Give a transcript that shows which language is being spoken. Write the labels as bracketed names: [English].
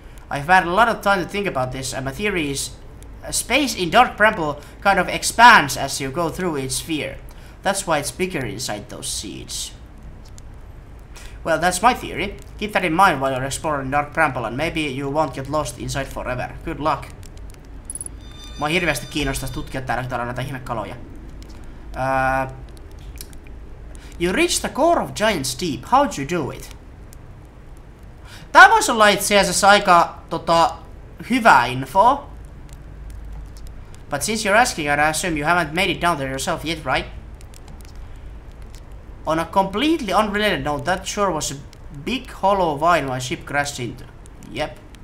[English] I've had a lot of time to think about this, and my theory is space in Dark Bramble kind of expands as you go through its sphere. That's why it's bigger inside those seeds. Well, that's my theory. Keep that in mind while you're exploring Dark Bramble, and maybe you won't get lost inside forever. Good luck. [Finnish] Mä oon hirveästi kiinnostais tutkia täällä näitä ihmekaloja. [English] You reach the core of Giant's Deep. How'd you do it? [Finnish] Tää vois olla itse asiassa aika hyvää infoa. [English] But since you're asking, I'd assume you haven't made it down there yourself yet, right? On a completely unrelated note, that sure was a big hollow vine my ship crashed into. Yep.